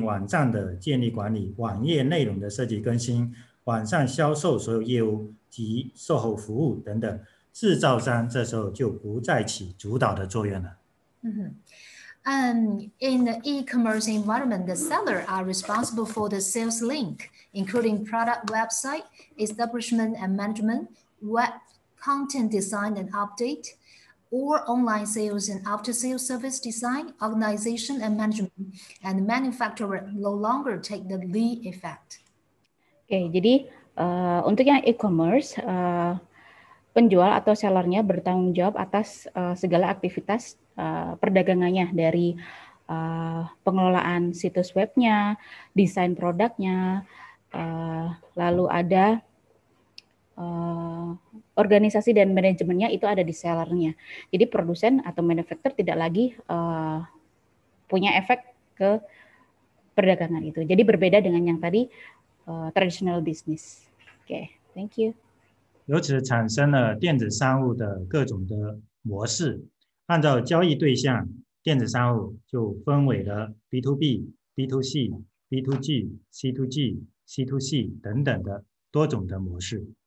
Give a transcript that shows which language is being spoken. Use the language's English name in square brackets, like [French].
[Chinese] 也就是在电商环境下，是销售商来配合负责销售的环节，包括产品网站的建立管理、网页内容的设计更新。网上销售所有业务及售后服务等等，制造商这时候就不再起主导的作用了。 [English] In the e-commerce environment, the seller are responsible for the sales link, including product website establishment and management, web content design and update, or online sales and after-sales service design, organization and management, and the manufacturer no longer take the lead effect. [Indonesian] Okay, jadi untuk yang e-commerce, penjual atau sellernya bertanggung jawab atas segala aktivitas perdagangannya dari pengelolaan situs webnya, desain produknya, lalu ada organisasi dan manajemennya itu ada di sellernya. Jadi produsen atau manufacturer tidak lagi punya efek ke perdagangan itu. Jadi berbeda dengan yang tadi traditional business. [English] Okay, thank you. [Chinese] 由此产生了电子商务的各种的模式，按照交易对象，电子商务就分为了 B2B、B2C、 B2G, C2G, C2C 等等的多种的模式。